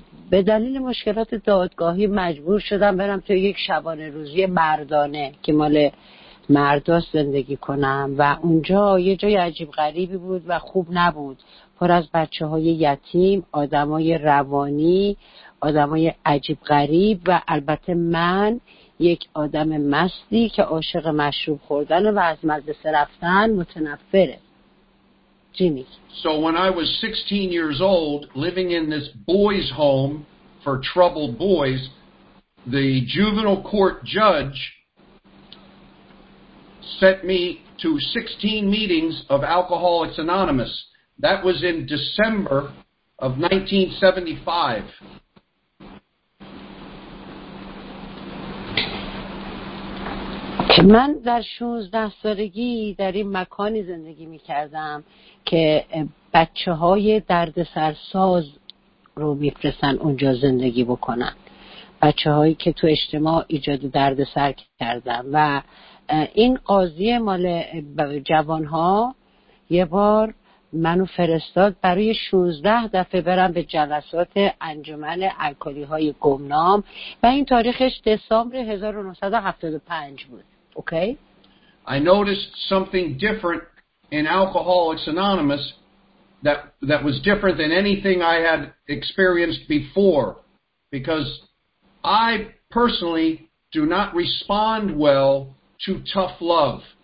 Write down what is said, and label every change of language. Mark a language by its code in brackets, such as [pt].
[fa] به دلیل مشکلات دادگاهی مجبور شدم برم توی یک شبانه روزی مردانه که مال مرداست زندگی کنم و اونجا یه جای عجیب غریبی بود و خوب نبود، پر از بچه های یتیم، آدم های روانی، آدم های عجیب غریب و البته من، یک آدم مستی که عاشق مشروب خوردن و از مدرسه رفتن متنفره. جیمی. [en] So when I was 16 years old, living in this boys' home for troubled boys, the juvenile court judge sent me to 16 meetings of Alcoholics Anonymous. That was in December of 1975. [fa] من در 16 سالگی در این مکانی زندگی می‌کردم که بچه‌های دردسرساز رو می‌فرستن اونجا زندگی بکنن. بچه‌هایی که تو اجتماع ایجاد دردسر کردن و این قاضی مال جوانها یه بار منو فرستاد برای 16 دفعه برم به جلسات انجمن الکلی های گمنام و این تاریخش دسامبر 1975 بود. [en] Okay? I noticed something different in Alcoholics Anonymous that was different than anything I had experienced before, because I personally do not respond well to tough love.